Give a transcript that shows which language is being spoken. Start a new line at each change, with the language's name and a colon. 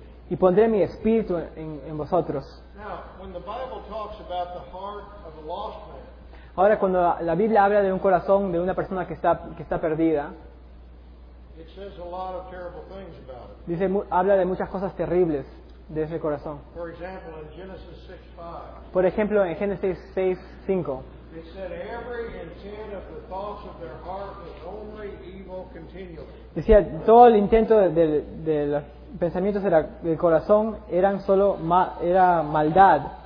Spanish: Y pondré mi espíritu en vosotros.
English: Now, when the Bible talks about the heart of a lost man,
Spanish: Ahora, cuando la Biblia habla de un corazón de una persona que está perdida,
English: it says a lot of terrible things about it.
Spanish: Dice, habla de muchas cosas terribles de ese corazón.
English: For example, in Genesis 6:5,
Spanish: por ejemplo, en Génesis 6:5,
English: it said every intent of the thoughts of their heart was only evil continually.
Spanish: Decía, todo el intento de los pensamientos del corazón eran solo era maldad.